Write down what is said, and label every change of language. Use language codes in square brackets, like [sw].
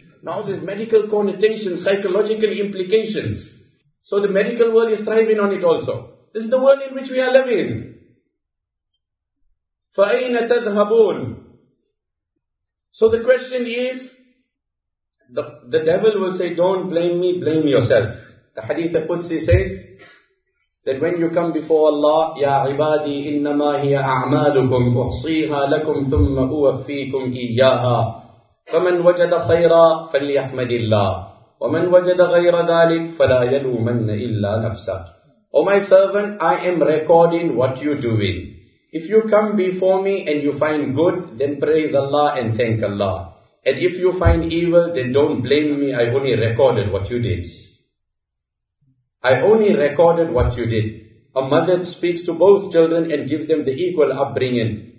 [en] Now there's medical connotations, psychological implications. So the medical world is thriving on it also. This is the world in which we are living. [ar] فَأَيْنَ تَذْهَبُونَ [en] So the question is, the devil will say, don't blame me, blame yourself. The Hadith Qudsi says, that when you come before Allah, [ar] يَا عِبَادِي إِنَّمَا هِيَ أَعْمَالُكُمْ أُحْصِيهَا لَكُمْ ثُمَّ أُوَفِّيكُمْ إِيَّاهَا فَمَنْ وَجَدَ خَيْرًا فَلْيَحْمَدِ اللَّهِ وَمَنْ وَجَدَ غَيْرَ ذَلِكْ فَلَا يَلُومَنَّ إِلَّا نَفْسَهُ [en] O my servant, I am recording what you're doing. If you come before me and you find good, then praise Allah and thank Allah. And if you find evil, then don't blame me, I only recorded what you did. I only recorded what you did. A mother speaks to both children and gives them the equal upbringing.